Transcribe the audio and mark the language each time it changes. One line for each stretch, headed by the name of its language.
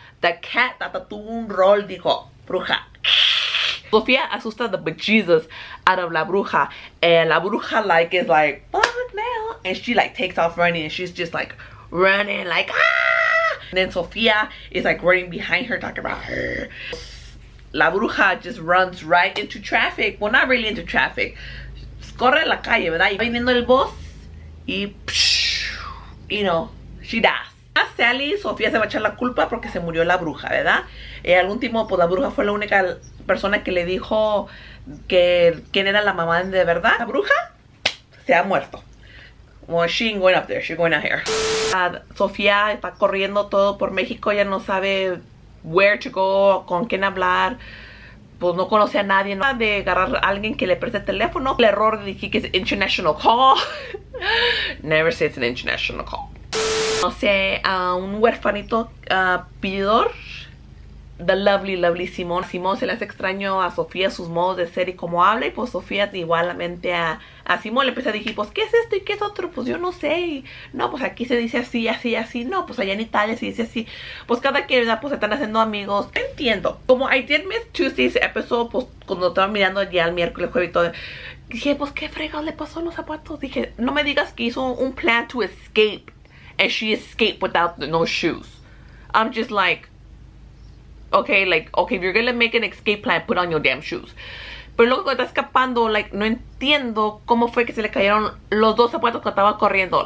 English: The cat that
Spanish: tuvo un rol, dijo, bruja. Sofía asusta
English: the bejesus out of
Spanish: la bruja.
English: And la bruja, like, is like, fuck now. And she, like, takes off running. And she's just, like, running, like, ah! And then Sofía is, like, running behind her, talking about her. La bruja just runs right into traffic. Well, not really into traffic.
Spanish: Corre la calle, ¿verdad? Y va viniendo el bus. Y, psh,
English: you know, she does.
Spanish: A Sally, Sofía se va a echar la culpa porque se murió la bruja, ¿verdad? Y al último, pues la bruja fue la única persona que le dijo que quién era la mamá de verdad. La bruja se ha muerto.
English: Well, she ain't going up there, she's going out here.
Spanish: Sofía está corriendo todo por México, ya no sabe
English: where to go,
Spanish: con quién hablar. Pues no conoce a nadie, no de agarrar a alguien que le preste el teléfono. El error de decir que es
English: international call. Never say it's an international call.
Spanish: No sé, un huerfanito pidor.
English: The lovely, lovely
Spanish: Simón. Simón se le hace extraño a Sofía sus modos de ser y cómo habla. Y pues Sofía igualmente a Simón le empieza a decir, pues, ¿qué es esto y qué es otro? Pues yo no sé. Y, no, pues aquí se dice así, así, así. No, pues allá en Italia se dice así. Pues cada quien, ¿verdad? Pues se están haciendo amigos. Entiendo. Como
English: I did miss Tuesday's episode,
Spanish: pues cuando estaba mirando ya el miércoles, jueves y todo. Dije, pues, ¿qué fregado le pasó a los zapatos? Dije, no me digas que hizo un plan
English: to escape. And she escaped without no shoes. I'm just like, okay, like, okay, if you're gonna make an escape plan, put on your damn shoes.
Spanish: Pero luego cuando está escapando, like, no entiendo cómo fue que se le cayeron los dos zapatos cuando estaba corriendo.